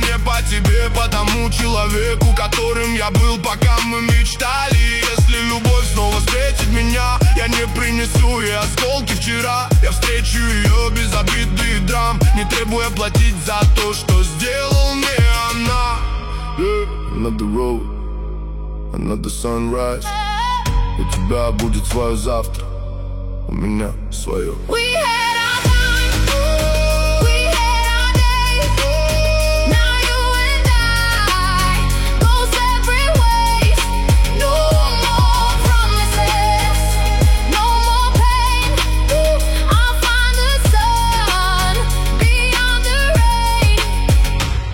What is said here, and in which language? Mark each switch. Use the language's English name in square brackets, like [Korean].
[Russian] Не по тебе, по тому человеку, которым я был, пока мы мечтали. Если любовь снова встретит меня, я не принесу ей осколки вчера. Я встречу ее без обиды и драм, не требуя платить за то, что сделал мне она. [English] Another road, another sunrise. [Russian] У тебя будет свое завтра, у меня свое. [English] We had our time, we had our days. Now you and I go separate ways. No more promises, no more pain. I'll find the sun beyond the rain.